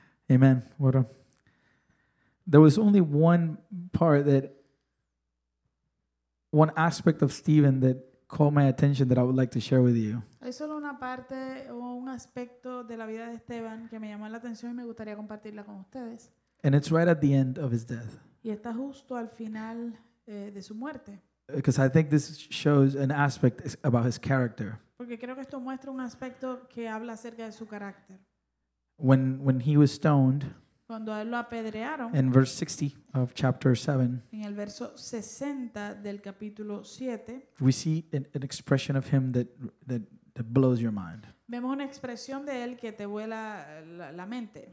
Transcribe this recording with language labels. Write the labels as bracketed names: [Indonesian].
[English] Amen. What a... There was only one part that, one aspect of Stephen that caught my attention that I would like to share with you. [Spanish] Hay solo una parte o un aspecto de la vida de Esteban que me llamó la atención y me gustaría compartirla con ustedes. [English] And it's right at the end of his death. [Spanish] Y está justo al final de su muerte. [English] Because I think this shows an aspect about his character. [Spanish] Porque creo que esto muestra un aspecto que habla acerca de su carácter. [English] When he was stoned, [Spanish] cuando a él lo apedrearon, [English] in verse 60 of chapter 7, [Spanish] en el verso 60 del capítulo 7, [English] we see an expression of him that blows your mind. [Spanish] Vemos una expresión de él que te vuela la mente.